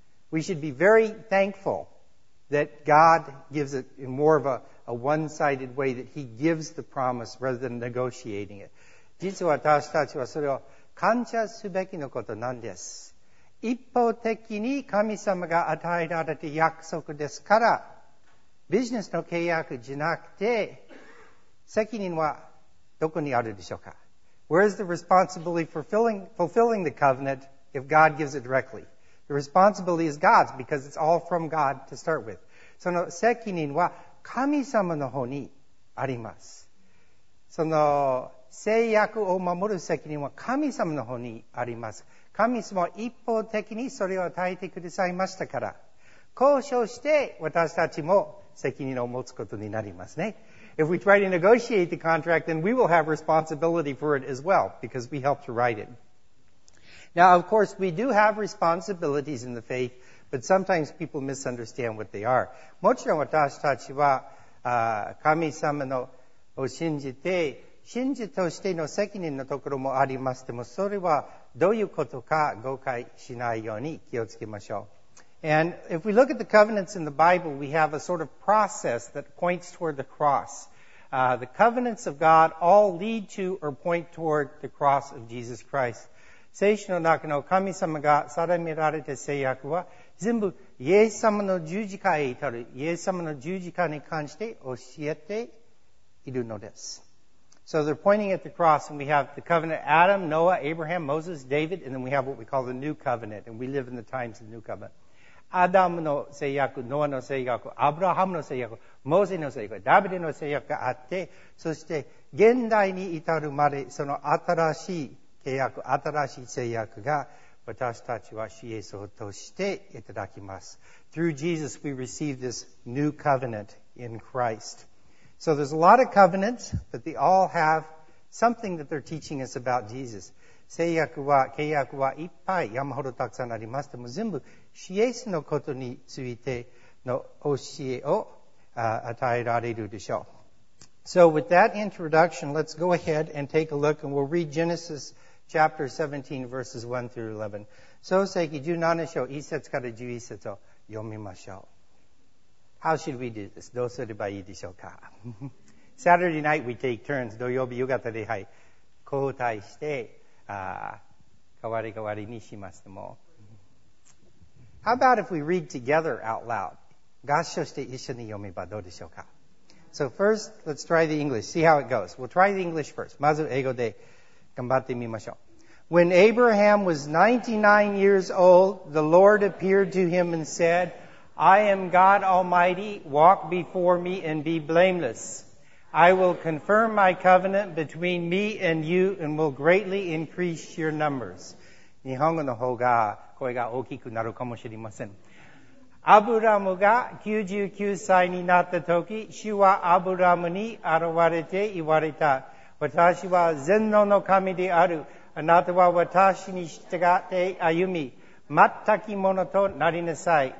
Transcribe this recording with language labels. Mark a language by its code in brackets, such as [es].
[en] We should be very thankful that God gives it in more of a one-sided way, that he gives the promise rather than negotiating it. [ja] 実は私たちはそれを感謝すべきのことなんです。一方的に神様が与えられた約束ですから、ビジネスの契約じゃなくて、責任はどこにあるでしょうか。 [en] Where is the responsibility for fulfilling the covenant if God gives it directly? The responsibility is God's because it's all from God to start with. [ja] その責任は神様の方にあります。その契約を守る責任は神様の方にあります。神様は一方的にそれを与えてくださいましたから、交渉して私たちも責任を持つことになりますね。 [en] If we try to negotiate the contract, then we will have responsibility for it as well, because we helped to write it. Now, of course, we do have responsibilities in the faith, but sometimes people misunderstand what they are. [ja] もちろん私たちは、神様のを信じて、信じとしての責任のところもありますでも、それはどういうことか誤解しないように気をつけましょう。 [en] And if we look at the covenants in the Bible, we have a sort of process that points toward the cross. The covenants of God all lead to or point toward the cross of Jesus Christ. [ja] 聖書の中の神様が定められた契約は、全部イエス様の十字架へ至る、イエス様の十字架に関して教えているのです。 [en] So they're pointing at the cross, and we have the covenant Adam, Noah, Abraham, Moses, David, and then we have what we call the new covenant, and we live in the times of the new covenant. [ja] アダムの契約、ノアの契約、アブラハムの契約、モーゼの契約、ダビデの契約があって、そして現代に至るまでその新しい契約、新しい契約が私たちは主イエスを通していただきます。 [en] Through Jesus we receive this new covenant in Christ. So there's a lot of covenants, but they all have something that they're teaching us about Jesus. [ja] 聖約は契約はいっぱい山ほどたくさんありますでも全部主イエスのことについての教えを与えられるでしょう。 [en] So with that introduction, let's go ahead and take a look and we'll read Genesis chapter 17 verses 1 through 11. [ja] 創世記17章1節から11節を読みましょう。 [en] How should we do this? [ja] どうすればいいでしょうか [en] Saturday night we take turns. [ja] 土曜日夕方で、はい、交代して代わり代わりにしますでも。 [en] How about if we read together out loud? [ja] 合唱して一緒に読めばどうでしょうか? [en] So first, let's try the English. See how it goes. We'll try the English first. [ja] まず英語で頑張ってみましょう。 [en] When Abraham was 99 years old, the Lord appeared to him and said, I am God Almighty. Walk before me and be blameless. I will confirm my covenant between me and you and will greatly increase your numbers. [ja] 日本語の方が声が大きくなるかもしれません。アブラムが99歳になった時、主はアブラムに現れて言われた。私は全能の神である。あなたは私に従って歩み、全き者となりなさい。